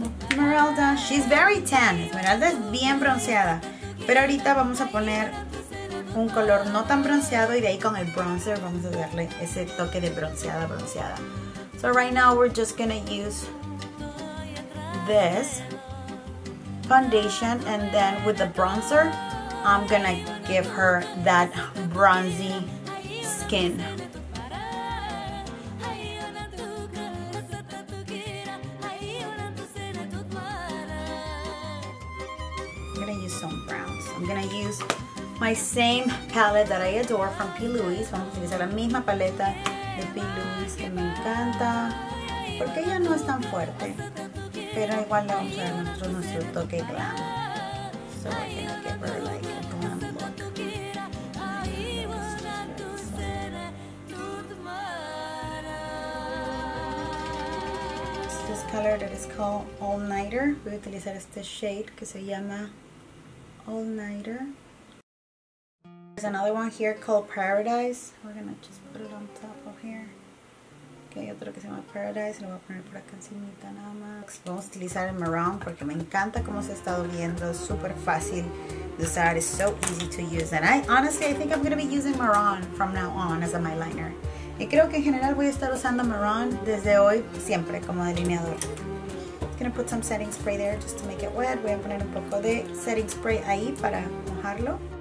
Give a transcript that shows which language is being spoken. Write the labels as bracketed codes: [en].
[en] Esmeralda, she's very tan. [es] Esmeralda es bien bronceada, pero ahorita vamos a poner un color no tan bronceado y de ahí con el bronzer vamos a darle ese toque de bronceada. [en] So right now we're just gonna use this foundation, and then with the bronzer, I'm gonna give her that bronzy skin. I'm gonna use some browns. I'm gonna use my same palette that I adore from P. [es] Louis. Vamos a utilizar la misma paleta de P. Louis que me encanta. Porque ella no es tan fuerte. Pero igual le vamos a dar nuestro toque glam. [en] So I can give her like a glam look. It's this color that is called All Nighter. [es] Voy a utilizar este shade que se llama All Nighter. [en] There's another one here called Paradise. We're gonna just put it on top of here. [es] Okay, otro que se llama Paradise, lo voy a poner por acá encima nada más. Vamos a utilizar el marrón porque me encanta cómo se ha estado viendo. Es súper fácil de usar, es [en] so easy to use. And I honestly, I think I'm going to be using marrón from now on as a my liner. [es] Y creo que en general voy a estar usando marrón desde hoy, siempre, como delineador. [en] I'm going to put some setting spray there just to make it wet. [es] Voy a poner un poco de setting spray ahí para mojarlo.